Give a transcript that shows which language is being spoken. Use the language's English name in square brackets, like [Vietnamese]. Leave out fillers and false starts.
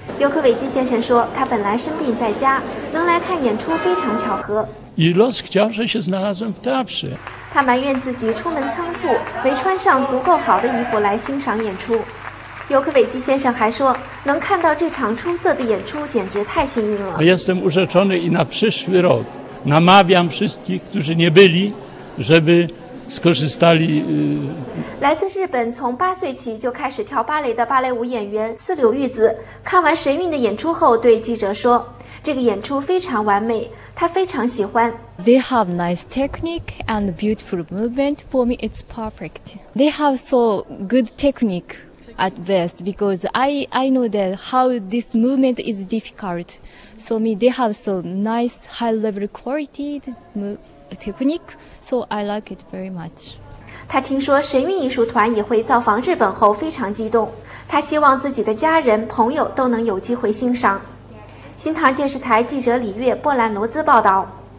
[Chinese] 尤克韦基先生说，他本来生病在家，能来看演出非常巧合。 [Polish] I los chciał, że się znalazłem w teatrze. [Chinese] 他埋怨自己出门仓促，没穿上足够好的衣服来欣赏演出。尤克韦基先生还说，能看到这场出色的演出简直太幸运了。 [Polish] Jestem urzeczony i na przyszły rok namawiam wszystkich, którzy nie byli, żeby skorzystali. [Chinese] 来自日本，从八岁起就开始跳芭蕾的芭蕾舞演员四柳玉子，看完神韵的演出后对记者说，这个演出非常完美，他非常喜欢。 [English] They have nice technique and beautiful movement. For me, it's perfect. They have so good technique at best because I know that how this movement is difficult. So me, they have so nice high level quality technique. So I like it very much. [Chinese] 他听说神韵艺术团也会造访日本后非常激动，他希望自己的家人朋友都能有机会欣赏。新唐电视台记者李月、波兰罗兹报道。